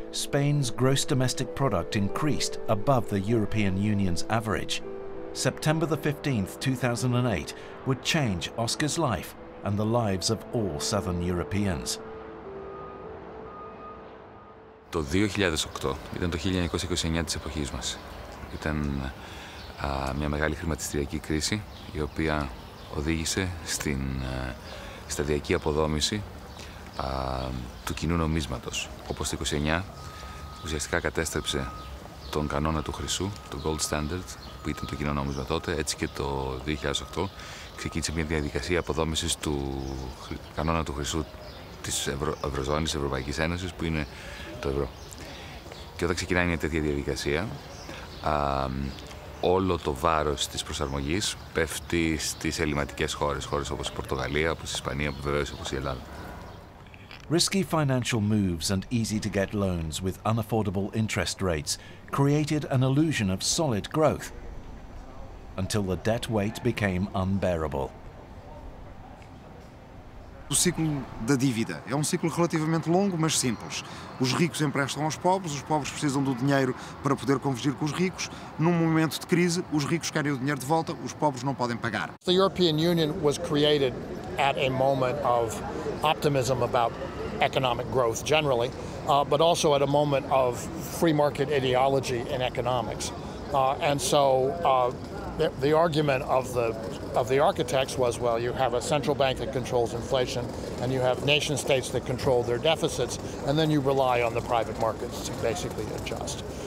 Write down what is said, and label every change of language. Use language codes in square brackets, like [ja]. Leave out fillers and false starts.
[en] Spain's gross domestic product increased above the European Union's average. September the 15th, 2008, would change Oscar's life and the lives of all southern Europeans. [el] Το 2008 ήταν το 1929 της εποχής μας. Ήταν μια μεγάλη χρηματιστηριακή κρίση, η οποία οδήγησε στην σταδιακή αποδόμηση του κοινού νομίσματος. Όπως το 29, ουσιαστικά κατέστρεψε τον κανόνα του χρυσού, το gold standard, που ήταν το κοινό νόμισμα τότε, έτσι και το 2008 ξεκίνησε μια διαδικασία αποδόμησης του κανόνα του χρυσού της Ευρωζώνης, Ευρωπαϊκής Ένωσης, που είναι το ευρώ. Και όταν ξεκινάει μια τέτοια διαδικασία, όλο το βάρος της προσαρμογής πέφτει στις ελληματικές χώρες, χώρες όπως η Πορτογαλία, όπως η Ισπανία, βεβαίως όπως η Ελλάδα. [en] Risky financial moves and easy-to-get loans with unaffordable interest rates created an illusion of solid growth until the debt weight became unbearable. [pt] O ciclo da dívida é um ciclo relativamente longo, mas simples. Os ricos emprestam aos pobres, os pobres precisam do dinheiro para poder convergir com os ricos. Num momento de crise, os ricos querem o dinheiro de volta, os pobres não podem pagar. [en] The European Union was created at a moment of optimism about economic growth generally, but also at a moment of free market ideology in economics. And so the argument of the architects was, well, you have a central bank that controls inflation, and you have nation states that control their deficits, and then you rely on the private markets to basically adjust.